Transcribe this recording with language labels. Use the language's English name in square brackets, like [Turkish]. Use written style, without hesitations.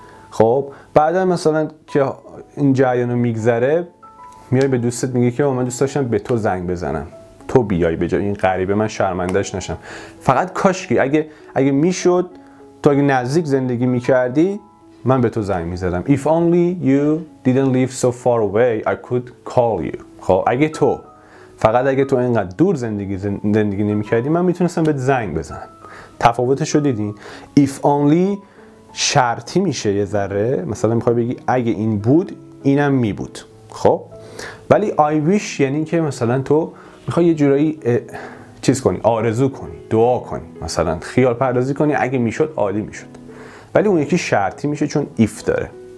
[Persian] خب بعدا مثلا که این جریانو میگذره میای به دوستت میگی که من دوست داشتم به تو زنگ بزنم، تو بیای به جای این غریبه، من شرمندهش نشم. فقط کاشکی اگه میشد تو اگه نزدیک زندگی میکردی من به تو زنگ میزدم. [English] If only you didn't live so far away, I could call you. [Persian] خب اگه تو، فقط اگه تو اینقدر دور زندگی نمیکردی من میتونستم بهت زنگ بزنم. تفاوتشو دیدین؟ If only شرطی میشه یه ذره، مثلا میخوای بگی اگه این بود اینم میبود. خب ولی I wish یعنی که مثلا تو میخوای یه جورایی چیز کنی، آرزو کنی، دعا کنی، مثلا خیال پردازی کنی اگه میشد عالی میشد، ولی اون یکی شرطی میشه چون if داره.